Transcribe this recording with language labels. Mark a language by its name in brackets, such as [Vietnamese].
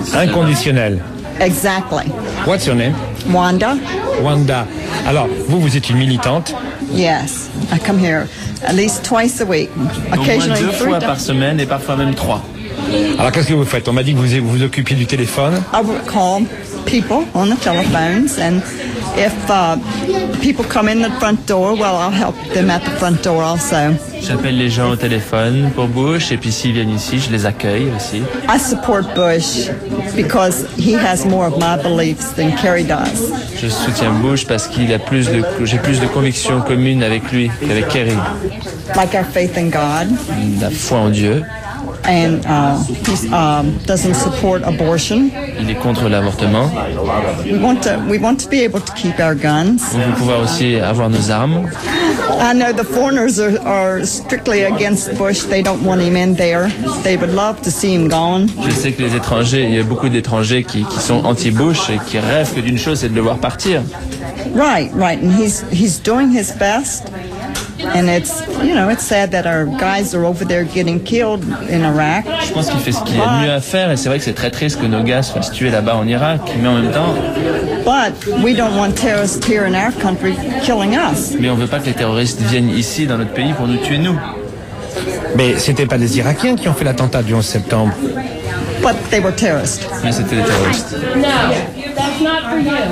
[French] Inconditionnel. [English] Exactly. What's your name? Wanda. [French] Wanda. Alors, vous êtes une militante? [English] Yes, I come here at least twice a week. Occasionally. [French] Donc, moins deux fois par semaine et parfois même trois. Alors, qu'est-ce que vous faites? On m'a dit que vous occupiez du téléphone. [English] I call people on the telephones, and if people come in the front door, well, I'll help them at the front door also. [French] J'appelle les gens au téléphone pour Bush, et puis s'ils viennent ici, je les accueille aussi. [English] I support Bush because he has more of my beliefs than Kerry does. [French] Je soutiens Bush parce qu'il a j'ai plus de convictions communes avec lui qu'avec Kerry. [English] Like our faith in God. [French] La foi en Dieu. [English] And doesn't support abortion. [French] Il est contre l'avortement. [English] We want to be able to keep our guns. [French] On veut pouvoir aussi avoir nos armes. [English] I know the foreigners are strictly against Bush. They don't want him in there. They would love to see him gone. [French] Je sais que les étrangers, il y a beaucoup d'étrangers qui sont anti-Bush et qui rêvent que d'une chose, c'est de le voir partir. [English] Right, and he's doing his best. And it's sad that our guys are over there getting killed in Iraq. [French] Je pense qu'il fait ce qu'il y a de mieux à faire, et c'est vrai que c'est très triste que nos gars soient tués là-bas en Irak, mais en même temps. [English] But we don't want terrorists here in our country killing us. [French] Mais on veut pas que les terroristes viennent ici dans notre pays pour nous tuer nous. Mais c'était pas les Irakiens qui ont fait l'attentat du 11 septembre. [English] But they were terrorists. [French] Mais c'était des terroristes. [English] No, that's not for you.